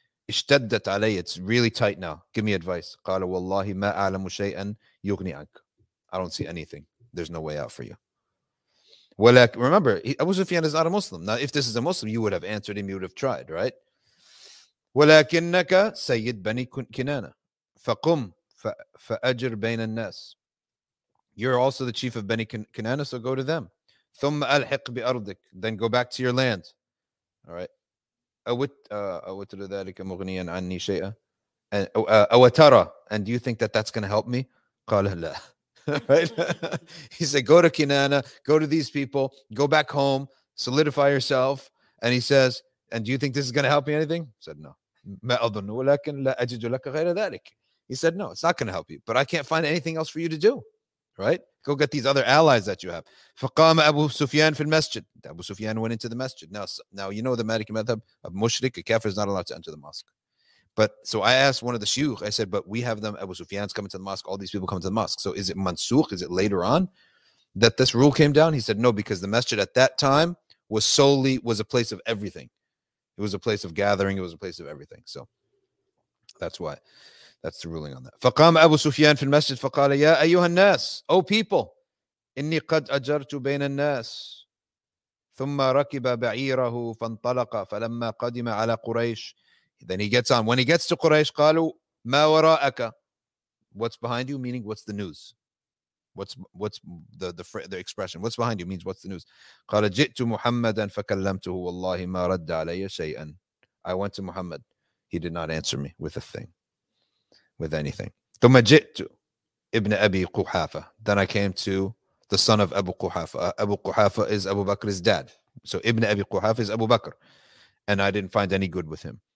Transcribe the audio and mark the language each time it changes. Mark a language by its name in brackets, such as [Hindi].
[Arabic] اشتدت علي, [English] it's really tight now. Give me advice. [Arabic] قال والله ما أعلم شيئا يغني عنك. [English] I don't see anything. There's no way out for you. Well, remember, Abu Sufyan is not a Muslim. Now, if this is a Muslim, you would have answered him. You would have tried, right? [Arabic] ولكنك سيد بني كنانة فقم فأجر بين الناس. [English] You're also the chief of Bani Kinana, so go to them. [Arabic] ثم ألحق بأرضك. [English] Then go back to your land. All right. [Arabic] أوتر ذلك مغنيا عني شيئا. أوترى. [English] And do you think that that's going to help me? [Arabic] قال لا. [English] Right? He said, go to Kinana, go to these people, go back home, solidify yourself. And he says, and do you think this is going to help me anything? He said, no. [Arabic] ما أظن ولكن لا أجد لك غير ذلك. [English] He said, no, it's not going to help you, but I can't find anything else for you to do, right? Go get these other allies that you have. [Arabic] فقام أبو سفيان في المسجد. [English] أبو سفيان went into the masjid. Now you know the Maliki madhab of mushrik, a kafir is not allowed to enter the mosque. But so I asked one of the shuyukh, I said, but we have them, Abu Sufyan's coming to the mosque, all these people come to the mosque. So is it mansukh, is it later on that this rule came down? He said, no, because the masjid at that time was a place of everything. It was a place of gathering, it was a place of everything. So that's why. That's the ruling on that. [Arabic] فقام أبو سفيان في المسجد فقال يا أيها الناس, [English] O people, [Arabic] إني قد أجرت بين الناس ثم ركب بعيره فانطلق فلما قدم على قريش. [English] Then he gets on. When he gets to Quraysh, [Arabic] قالوا ما وراءك. [English] What's behind you? Meaning what's the news? What's the expression? What's behind you? Means what's the news? [Arabic] قال جئت محمدا فكلمته والله ما رد علي شيئا. [English] I went to Muhammad. He did not answer me with a thing. With anything. [Arabic] ثم جئت ابن أبي قحافة. [English] Then I came to the son of Abu Quhafa. Abu Quhafa is Abu Bakr's dad. So ibn Abi Quhafa is Abu Bakr. And I didn't find any good with him.